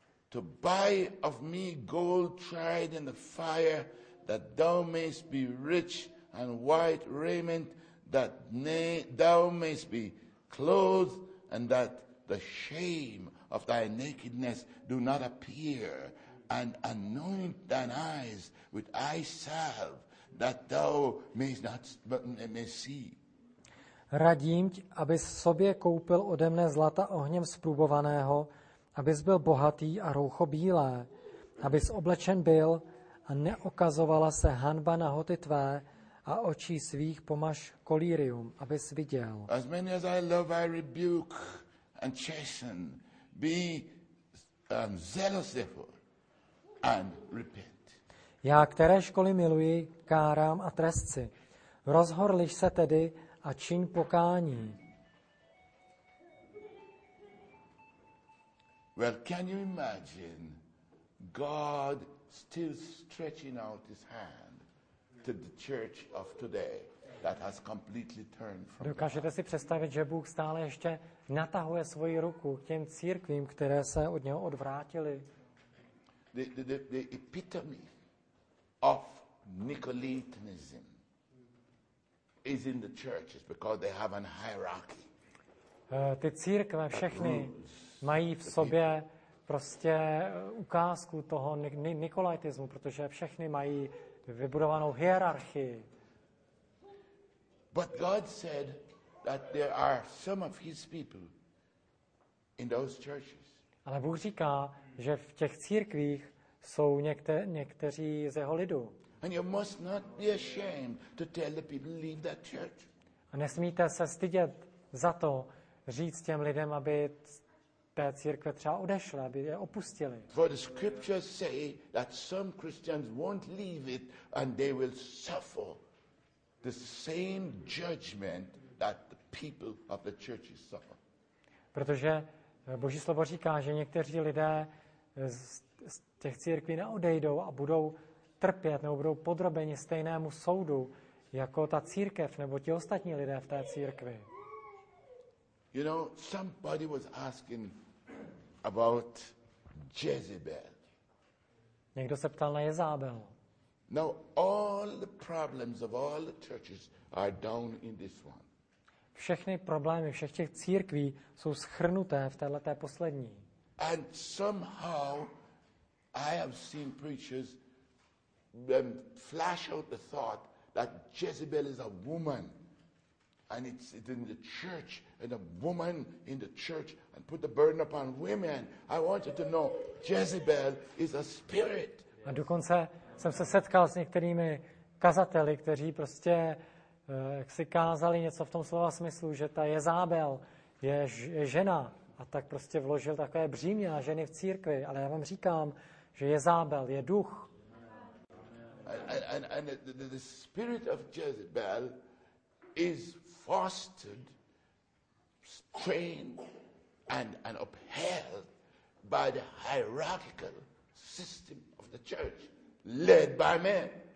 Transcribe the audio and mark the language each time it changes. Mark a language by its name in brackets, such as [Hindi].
[English] To buy of me gold tried in the fire, that thou mayst be rich, and white raiment, that thou mayst be clothed, and that the shame of thy nakedness do not appear, and anoint thine eyes with eye salve, that thou mayest not may see. [Czech] Radím ti, abys sobě koupil ode mne zlata ohněm zprůbovaného, abys byl bohatý a roucho bílé, abys oblečen byl a neokazovala se hanba nahoty tvé a očí svých pomaž kolírium, abys viděl. [English] As many as I love, I rebuke and chasten. Be zealous therefore and repent. [Czech] Já, které školy miluji, kárám a trestci. Rozhorliš se tedy a čin pokání. [English] Well, can you imagine God still stretching out his hand to the church of today that has completely turned from? [Czech] Dokážete si představit, že Bůh stále ještě natahuje svoji ruku k těm církvím, které se od něho odvrátily? [English] The epitome of Nicolaitanism is in the churches because they have an hierarchy. [Czech] Ty církve všechny mají v sobě prostě ukázku toho nikolaitismu, protože všechny mají vybudovanou hierarchii. [English] But God said that there are some of his people in those churches. [Czech] Ale Bůh říká, že v těch církvích jsou někteří z jeho lidu. [English] And you must not be ashamed to tell the people leave that church. [Czech] A nesmíte se stydět za to říct těm lidem, aby té církve třeba odešly, aby je opustili. [English] For the scriptures say that some Christians won't leave it and they will suffer the same judgment that the people of the churches suffer. [Czech] Protože Boží slovo říká, že někteří lidé z těch církví neodejdou a budou trpět nebo budou podrobeni stejnému soudu jako ta církev nebo ti ostatní lidé v té církvi. [English] You know, somebody was asking about Jezebel. [Czech] Někdo se ptal na Jezábel. [English] Now all the problems of all the churches are down in this one. [Czech] Všechny problémy všech těch církví jsou shrnuté v této poslední. [English] And somehow I have seen preachers them flash out the thought that Jezebel is a woman and it's in the church and a woman in the church and put the burden upon women. I want you to know Jezebel is a spirit. [Czech] A dokonce jsem se setkal s některými kazateli, kteří prostě si kázali něco v tom slova smyslu, že ta Jezábel je žena a tak prostě vložil takové břímě na ženy v církvi, ale já vám říkám, že Jezábel je duch. [English] And the spirit of Jezebel is fostered, trained, and upheld by the hierarchical system of the church, led by men.